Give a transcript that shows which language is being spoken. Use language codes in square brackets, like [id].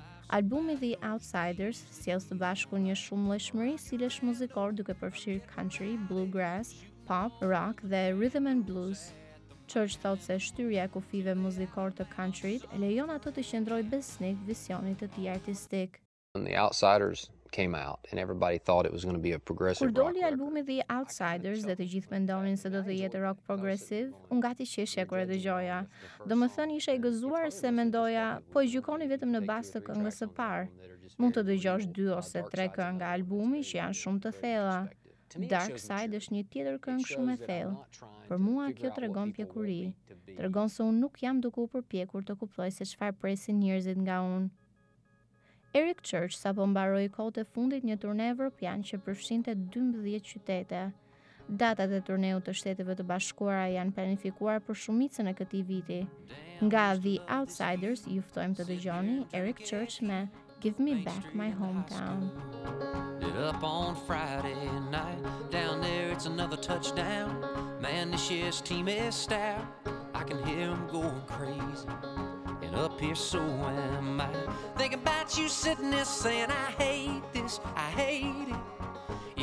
[sq] Albumi The Outsiders sjell së bashku një shumë lëshmëri stilesh muzikor duke përfshirë country, bluegrass, pop, rock dhe rhythm and blues. Church thot se shtyrja e kufive muzikor të countryt e lejon ato të qëndroj besnik visionit të tij artistik. [en] When The Outsiders came out and everybody thought it was going to be a progressive [sq] rock. Kur doli albumi The Outsiders dhe të gjithë mendonin se do të jetë rock progressive, unë gati qeshja kur e dëgjoja. Domethënë isha i gëzuar se mendoja, po e gjykoni vetëm në bazë të këngës së parë. Mund të dëgjosh 2 ose 3 këngë nga albumi që janë shumë të thella. Dark Side është një tjetër këngë shumë e thellë. Për mua kjo tregon pjekuri. Tregon se unë nuk jam duke u përpjekur të kuptoj se çfarë presin njerëzit nga unë. Eric Church sapo mbaroi kohët e fundit një turne evropian që përfshinte 12 qytete. Datat e turneut të Shteteve të Bashkuara janë planifikuar për shumicën e këtij viti. Nga The Outsiders ju ftojmë të dëgjoni Eric Church me Give Me Back My Hometown. [en] Did up on Friday night, down there it's another touchdown. Man, this year's team is stout, I can hear them going crazy. And up here so am I, thinking about you sitting there saying, I hate this, I hate it.